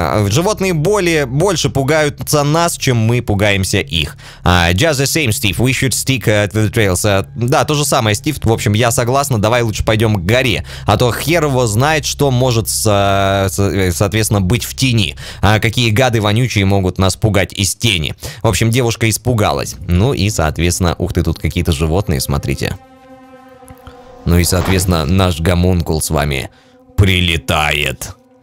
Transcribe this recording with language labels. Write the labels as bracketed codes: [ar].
[ru] Животные больше пугаются нас, чем мы пугаемся их. [en] Just the same, Steve, we should stick to the trails. [ru] Да, то же самое, Стив, в общем, я согласна, давай лучше пойдем к горе. А то хер его знает, что может, соответственно, быть в тени. А какие гады вонючие могут нас пугать из тени. В общем, девушка испугалась. Ну и, соответственно, ух ты, тут какие-то животные, смотрите. Ну и, соответственно, наш Гомункул с вами прилетает.